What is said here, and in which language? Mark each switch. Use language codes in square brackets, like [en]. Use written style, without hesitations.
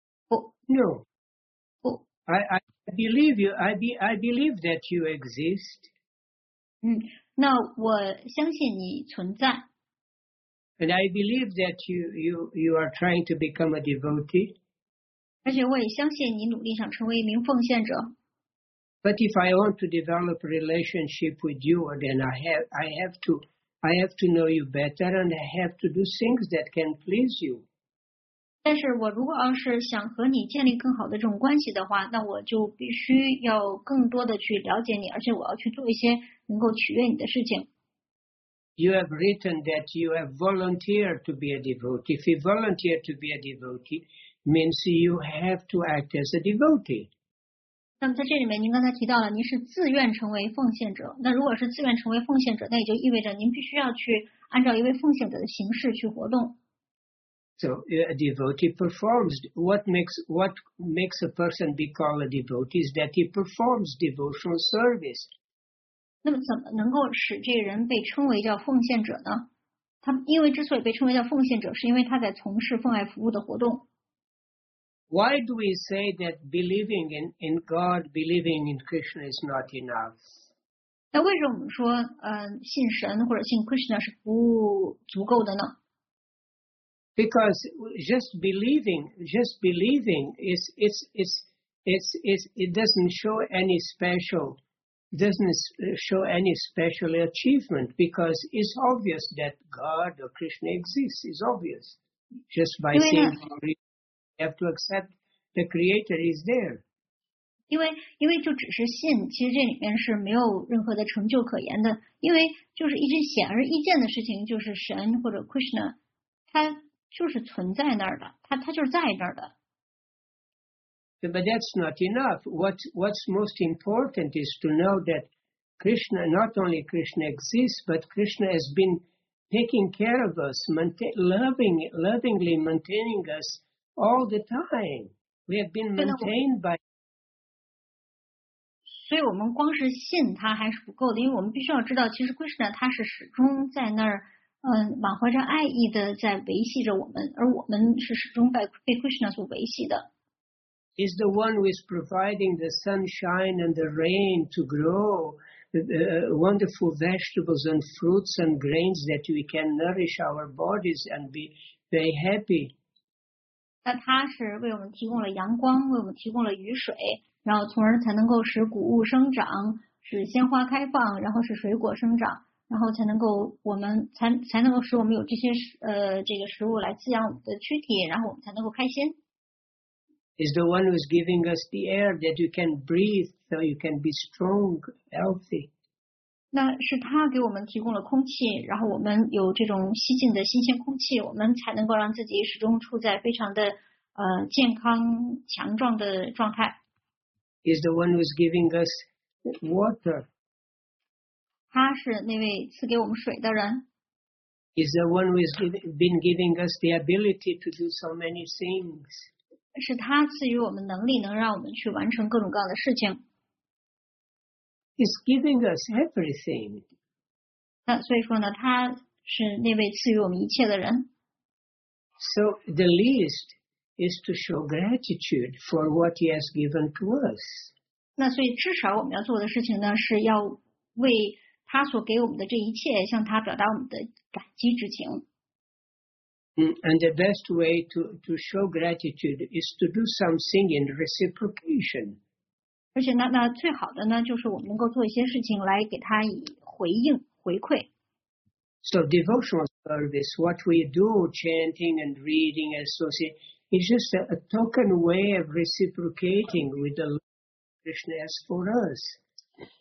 [en] Oh. No. Oh. I believe you. I believe that you exist. [zh] 那我相信你存在。 [en] And I believe that you are trying to become a devotee. [zh] 而且我也相信你努力想成为一名奉献者。 [en] But if I want to develop a relationship with you, then I have to know you better, and I have to do things that can please you. [zh] 但是我如果要是想和你建立更好的这种关系的话，那我就必须要更多的去了解你，而且我要去做一些能够取悦你的事情。 [en] You have written that you have volunteered to be a devotee. If you volunteer to be a devotee, means you have to act as a devotee. [zh] 那么在这里面，您刚才提到了您是自愿成为奉献者。那如果是自愿成为奉献者，那也就意味着您必须要去按照一位奉献者的形式去活动。 [en] So a devotee performs. What makes a person be called a devotee is that he performs devotional service. [zh] 那么怎么能够使这个人被称为叫奉献者呢？他因为之所以被称为叫奉献者，是因为他在从事奉爱服务的活动。 [en] Why do we say that believing in God, believing in Krishna is not enough? [zh] 那为什么我们说，信神或者信 Krishna 是不足够的呢？ [en] Because just believing it doesn't show any special. Doesn't show any special achievement because it's obvious that God or Krishna exists. It's obvious. Just by saying, you have to accept the Creator is there. [zh] 因为就只是信，其实这里面是没有任何的成就可言的。因为就是一直显而易见的事情，就是神或者 Krishna， 他就是存在那儿的，他就是在那儿的。 [en] But that's not enough. What's most important is to know that Krishna, not only Krishna exists, but Krishna has been taking care of us, lovingly maintaining us all the time. We have been maintained by. [zh] 所以我们光是信他还是不够的，因为我们必须要知道，其实 Krishna 他是始终在那儿，满怀着爱意的在维系着我们，而我们是始终被 Krishna 所维系的。 [en] Is the one who is providing the sunshine and the rain to grow wonderful vegetables and fruits and grains that we can nourish our bodies and be very happy. [zh] 那他是为我们提供了阳光，为我们提供了雨水，然后从而才能够使谷物生长，使鲜花开放，然后使水果生长，然后才能够我们才能够使我们有这些这个食物来滋养我们的躯体，然后我们才能够开心。 [en] Is the one who is giving us the air that you can breathe, so you can be strong, healthy. [zh] 那是他给我们提供了空气，然后我们有这种吸进的新鲜空气，我们才能够让自己始终处在非常的健康强壮的状态。 [en] Is the one who is giving us water. [zh] 他是那位赐给我们水的人。 [en] Is the one who has been giving us the ability to do so many things. [zh] 是他赐予我们能力，能让我们去完成各种各样的事情。 [en] He's giving us everything. [zh] 那所以说呢，他是那位赐予我们一切的人。 [en] So the least is to show gratitude for what he has given to us. [zh] 那所以至少我们要做的事情呢，是要为他所给我们的这一切，向他表达我们的感激之情。 [en] And the best way to show gratitude is to do something in reciprocation. [zh] 而且那最好的呢，就是我们能够做一些事情来给他以回应回馈。 [en] So devotional service, what we do, chanting and reading and so on, is just a token way of reciprocating with the Lord Krishna has for us.